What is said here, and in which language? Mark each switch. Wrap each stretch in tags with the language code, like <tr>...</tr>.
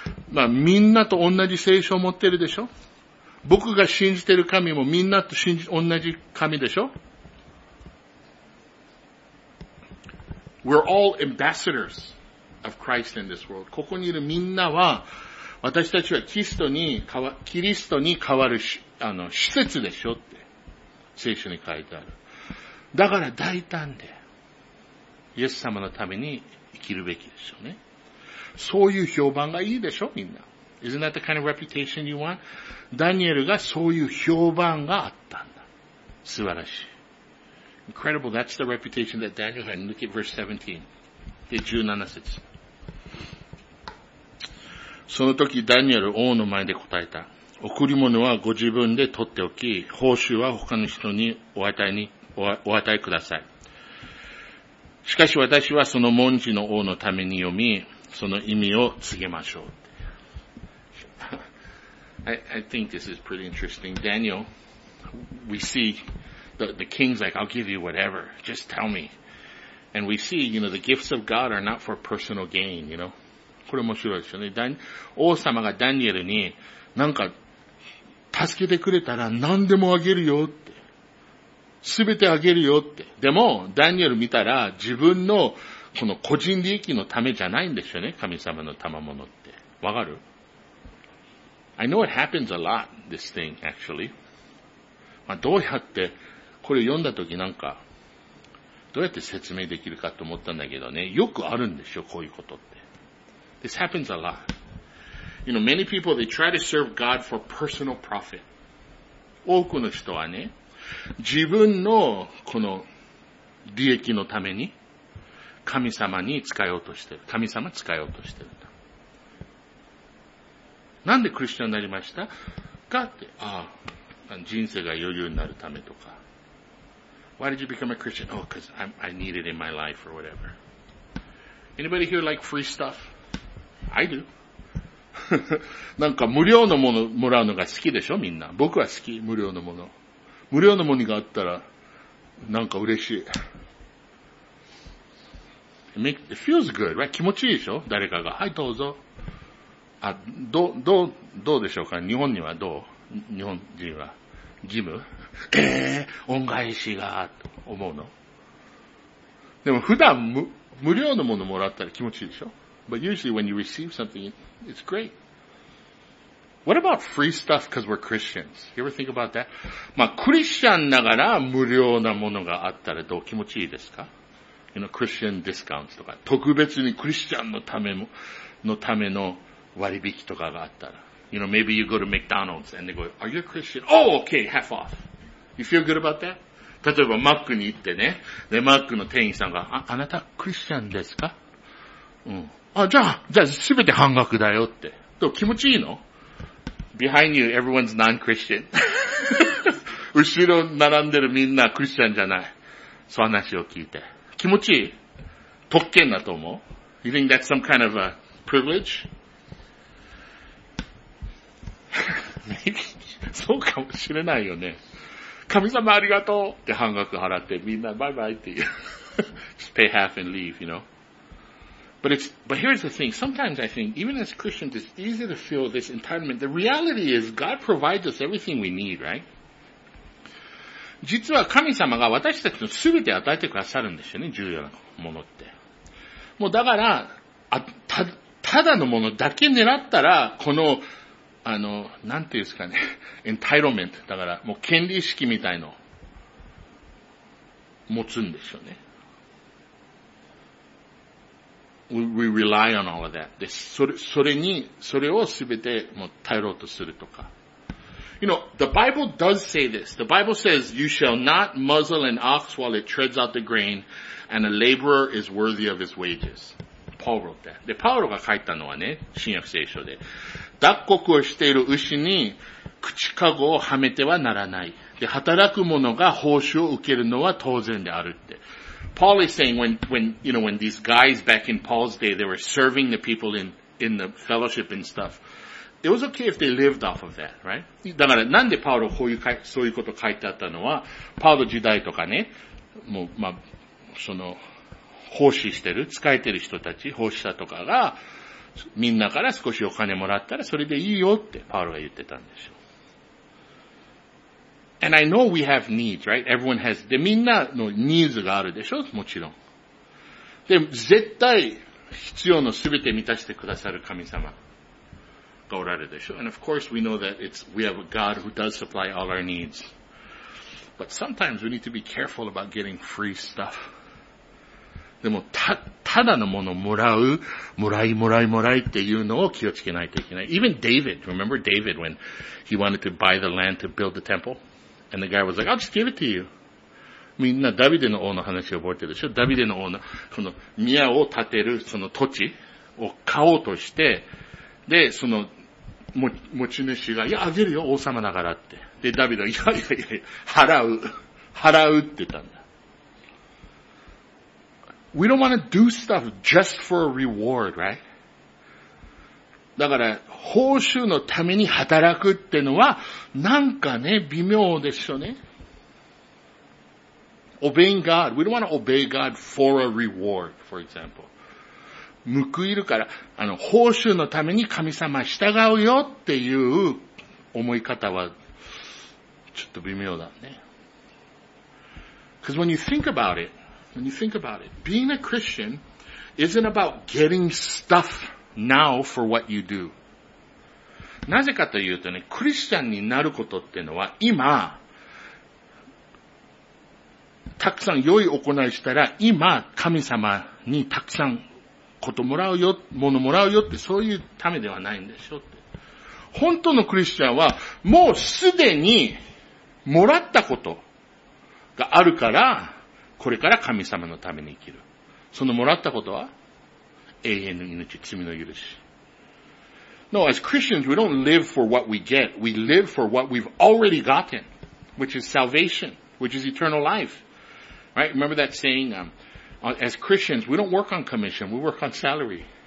<ja>まあ、みんなと同じ聖書を持ってるでしょ。僕が信じてる神もみんなと同じ神でしょ？</ja> <en>We're all ambassadors of Christ in this world.</en> <ja>ここにいるみんなは、私たちはキリストに代わる施設でしょって、聖書に書いてある。だから大胆で、イエス様のために生きるべきでしょうね。そういう評判がいいでしょ、みんな。</ja> <en>Isn't that the kind of reputation you want?</en> <ja>ダニエルがそういう評判があったんだ。素晴らしい。</ja> <en>Incredible, that's the reputation that Daniel had. Look at verse 17.</en> <ja>17節。その時ダニエル王の前で答えた。贈り物はご自分で取っておき、報酬は他の人にお与えください。しかし私はその文字の王のために読み、その意味を告げましょう。</ja> <en>I think this is pretty interesting. Daniel, we see the king's like, I'll give you whatever, just tell me. And we see, you know, the gifts of God are not for personal gain, you know.</en> <ja>これ面白いですよね。王様がダニエルに、なんか、助けてくれたら何でもあげるよって。すべてあげるよって。でも、ダニエル見たら自分のこの個人利益のためじゃないんですよね。神様の賜物って。わかる？</ja> <en>I know it happens a lot, this thing, actually.</en> <ja>まあ、どうやって、これ読んだときなんか、どうやって説明できるかと思ったんだけどね。よくあるんでしょ、こういうことって。</ja> <en>This happens a lot. You know, many people, they try to serve God for personal profit.</en> <ja>多くの人はね、自分のこの利益のために神様に使おうとしてる。神様使おうとしてるんだ。なんでクリスチャンになりましたかって、ああ、人生が余裕になるためとか。</ja> <en>Why did you become a Christian? Oh, because I need it in my life or whatever. Anybody here like free stuff? I do.</en> <ja>なんか無料のものもらうのが好きでしょみんな。僕は好き、無料のもの。無料のものがあったら、なんか嬉しい。</ja> <en>It feels good, right?</en> <ja>気持ちいいでしょ誰かが。はい、どうぞ。あ、どうでしょうか日本にはどう日本人は。義務恩返しが、と思うの。でも普段無料のものもらったら気持ちいいでしょ</ja> <en>But usually when you receive something, it's great. What about free stuff because we're Christians? You ever think about that?</en> <ja>まあ、クリスチャンながら無料なものがあったらどう気持ちいいですか</ja> <en>You know, Christian discounts</en> <ja>とか、特別にクリスチャンのための割引とかがあったら。</ja> <en>You know, maybe you go to McDonald's and they go, are you a Christian? Oh, okay, half off. You feel good about that?</en> <ja>例えばマックに行ってね、で、マックの店員さんが、あなたクリスチャンですかうん。あ、じゃあ、すべて半額だよって。どう気持ちいいの</ja> <en>?Behind you, everyone's non-Christian.</en> <ja>後ろ並んでるみんなクリスチャンじゃない。そう話を聞いて。気持ちいい。特権だと思う</ja> <en>?You think that's some kind of a privilege? Maybe.</en> <ja>そうかもしれないよね。神様ありがとうって半額払ってみんなバイバイって言う。</ja> <en>Just pay half and leave, you know? But here's the thing. Sometimes I think, even as Christians, it's easy to feel this entitlement. The reality is, God provides us everything we need, right?</en> <ja>実は神様が私たちのすべて与えてくださるんですよね、重要なものって。もうだから、ただのものだけ狙ったら、この、なんていうんですかね、entitlement。だから、もう権利意識みたいの、持つんですよね。</ja> <en>We rely on all of that.</en> <ja>で、それをすべてもう頼ろうとするとか。</ja> <en>You know, the Bible does say this. The Bible says, you shall not muzzle an ox while it treads out the grain, and a laborer is worthy of his wages. Paul wrote that.</en> <ja>で、パウロが書いたのはね、新約聖書で。脱穀をしている牛に口かごをはめてはならない。で、働く者が報酬を受けるのは当然であるって。</ja> <en>Paul is saying when these guys back in Paul's day, they were serving the people in the fellowship and stuff. It was okay if they lived off of that, right?</en> <ja>だから、なんでパウロこういう、そういうこと書いてあったのは、パウロ時代とかね、もう、まあ、その、奉仕してる、使えてる人たち、奉仕者とかが、みんなから少しお金もらったらそれでいいよってパウロが言ってたんでしょ。</ja> <en>And I know we have needs, right? Everyone has.</en> <ja>で、みんなのニーズがあるでしょ？もちろん。で、絶対必要のすべて満たしてくださる神様がおられるでしょ</ja> <en>？And of course we know that we have a God who does supply all our needs. But sometimes we need to be careful about getting free stuff.</en> <ja>でも、ただのものをもらう、もらいもらいもらいっていうのを気をつけないといけない。</ja> <en>Even David, remember David when he wanted to buy the land to build the temple? And the guy was like, I'll just give it to you.</en> <ja>みんなダビデの王の話を覚えてるでしょ？ダビデの王の、その宮を建てるその土地を買おうとして、で、その、持ち主が、いや、あげるよ、王様だからって。で、ダビデは、いや、払う。払うって言ったんだ。</ja> <en>We don't want to do stuff just for a reward, right?</en> <ja>だから、報酬のために働くってのは、なんかね、微妙でしょね。</ja> <en>Obeying God. We don't want to obey God for a reward, for example.</en> <ja>報いるから、あの、報酬のために神様従うよっていう思い方は、ちょっと微妙だね。</ja> <en>Because when you think about it, being a Christian isn't about getting stuff now for what you do.</en> <ja>なぜかというとね、クリスチャンになることっていうのは、今、たくさん良い行いしたら、今、神様にたくさん、こともらうよ、ものもらうよって、そういうためではないんでしょって。本当のクリスチャンは、もうすでに、もらったことがあるから、これから神様のために生きる。そのもらったことは、永遠の命、罪の許し。</ja> <en>No, as Christians, we don't live for what we get. We live for what we've already gotten, which is salvation, which is eternal life. Right? Remember that saying, As Christians, we don't work on commission, we work on salary.</en>